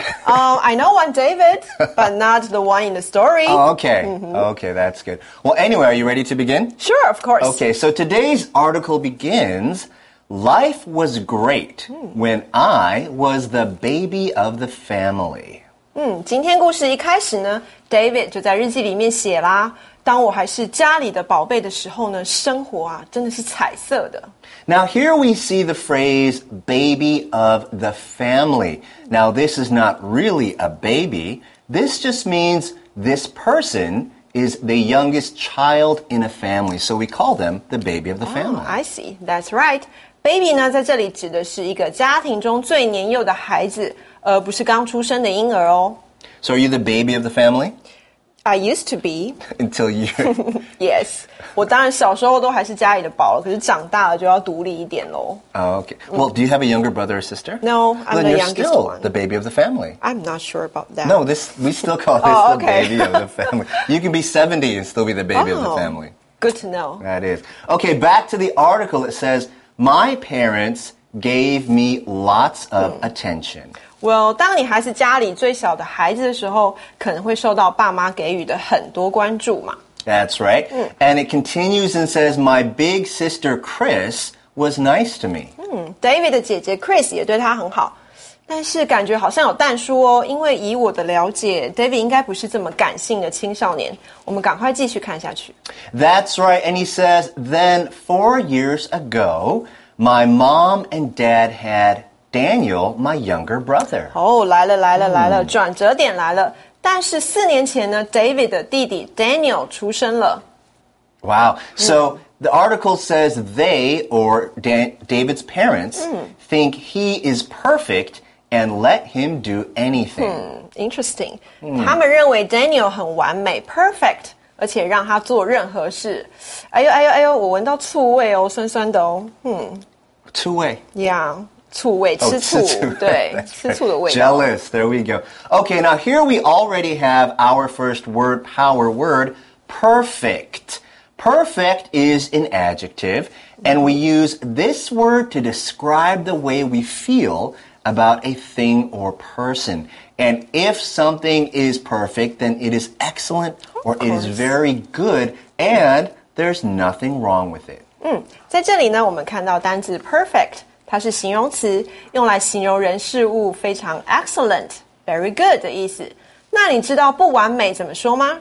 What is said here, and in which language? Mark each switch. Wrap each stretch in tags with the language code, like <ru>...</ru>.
<en>I know one David, but not the one in the story. Oh, okay,、mm-hmm. okay, that's good. Well, anyway, are you ready to begin? Sure, of course. Okay, so today's article begins, Life was great when I was the baby of the family.</en> <zh>今天故事一开始呢 ,David 就在日记里面写啦。当我还是家里的宝贝的时候呢，生活啊，真的是彩色的。</zh> <en>Now here we see the phrase baby of the family. Now this is not really a baby. This just means this person is the youngest child in a family. So we call them the baby of the family. I see. That's right.</en> <zh>Baby 呢，在这里指的是一个家庭中最年幼的孩子，而不是刚出生的婴儿哦。</zh> <en>So are you the baby of the family? I used to be. Until you...</en> <zh>yes. 我当然小时候都还是家里的宝可是长大了就要独立一点咯。</zh> <en>Okay. Well, do you have a younger brother or sister? No, I'm Then the youngest still one. You're still the baby of the family. I'm not sure about that. No, we still call this the baby of the family. You can be 70 and still be the baby of the family. Good to know. That is. Okay, back to the article. It says, my parents gave me lots of attention.</en> <zh>Well, 当你还是家里最小的孩子的时候可能会受到爸妈给予的很多关注嘛。</zh> <en>That's right.、Mm. And it continues and says, my big sister Chris was nice to me.、</en> <zh>David 的姐姐 Chris 也对他很好。但是感觉好像有淡疏哦因为以我的了解 David 应该不是这么感性的青少年。我们赶快继续看下去。</zh> <en>That's right. And he says, then 4 years ago, my mom and dad had... Daniel, my younger brother.</en> <zh>Oh, 来了来了来了转折点来了。但是四年前呢 David 的弟弟 Daniel 出生了。</zh> <en>Wow. So, the article says they, or David's parents, think he is perfect and let him do anything. Interesting.</en> <zh>他们认为 Daniel 很完美 perfect, 而且让他做任何事。哎呦哎呦哎呦我闻到醋味哦酸酸的哦。醋味。 Yeah, 醋味吃醋。 Oh, 吃醋对吃醋的味道。</zh> <en>Jealous, there we go. Okay, now here we already have our first word power word, perfect. Perfect is an adjective, and we use this word to describe the way we feel about a thing or person. And if something is perfect, then it is excellent or it is very good, and there's nothing wrong with it.</en> <zh>在这里呢，我们看到单字 perfect, 它是形容词，用来形容人事物非常</zh> <en>excellent, very good</en> <zh>的意思。那你知道不完美怎么说吗？</zh>